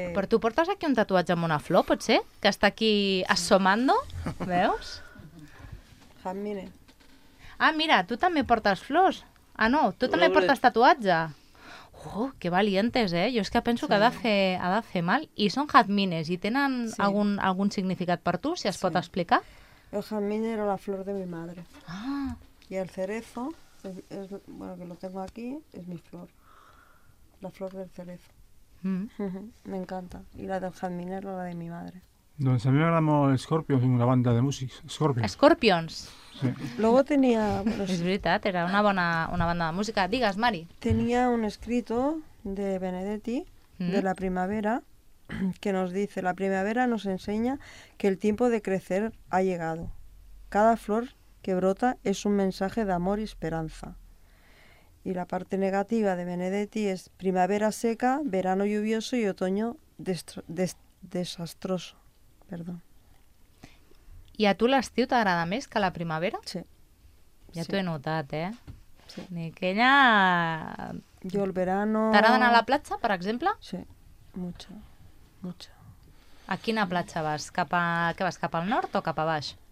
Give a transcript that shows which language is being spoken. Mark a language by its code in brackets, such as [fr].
[ca] Però tu portes aquí un tatuatge amb una flor, potser? Que està aquí assomando, veus? Ah, mira, tu també portes flors. Ah, no, tu també portes tatuatge. Oh, [es] que valientes, [ca] eh? Jo és que penso que ha de fer mal. I són jazmines, i tenen algun significat per tu, si es pot explicar? [es] El jazmín era la flor de mi madre. Ah! I el cerezo, bueno, que lo tengo aquí, es mi flor. La flor del cerezo. Me encanta. I la del jazmín era la de mi madre. [ca] Doncs a mi m'agrada molt Scorpions, una banda de músics. Scorpions. Sí. [es] Luego tenía... Bueno, es verdad, era una buena una banda de música. [ca] Digas, Mari. [es] Tenía un escrito de Benedetti, de la primavera, que nos dice, la primavera nos enseña que el tiempo de crecer ha llegado. Cada flor que brota es un mensaje de amor y esperanza. Y la parte negativa de Benedetti es primavera seca, verano lluvioso y otoño desastroso. Perdón. [ca] I a tu l'estiu t'agrada més que la primavera? Sí. Ja t'ho he notat, eh? Sí. Ni aquella... [es] Jo el verano... [ca] T'agrada anar a la platja, per exemple? [es] Sí, mucho, mucho. [ca] A quina platja vas? Cap al nord o cap a baix?